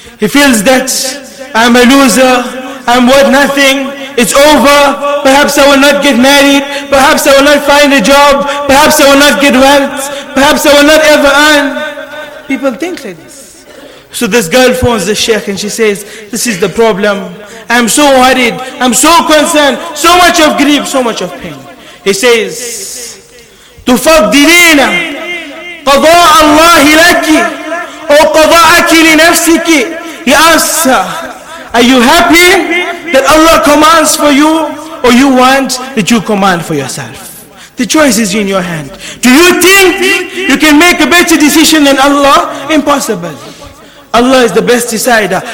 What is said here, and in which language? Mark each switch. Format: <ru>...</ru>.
<en>He feels that I'm a loser, I'm worth nothing, it's over, perhaps I will not get married, perhaps I will not find a job, perhaps I will not get wealth, perhaps I will not ever earn. People think like this. So this girl phones the sheikh and she says, this is the problem, I'm so worried, I'm so concerned, so much of grief, so much of pain.</en> <ar>He says, تُفَضِّلِينَ قَضَاءَ اللَّهِ لَكِ أَوْ قَضَاءَكِ لِنَفْسِكِ.</ar> <en>He asks her, are you happy that Allah commands for you, or you want that you command for yourself? The choice is in your hand. Do you think you can make a better decision than Allah? Impossible. Allah is the best decider.</en>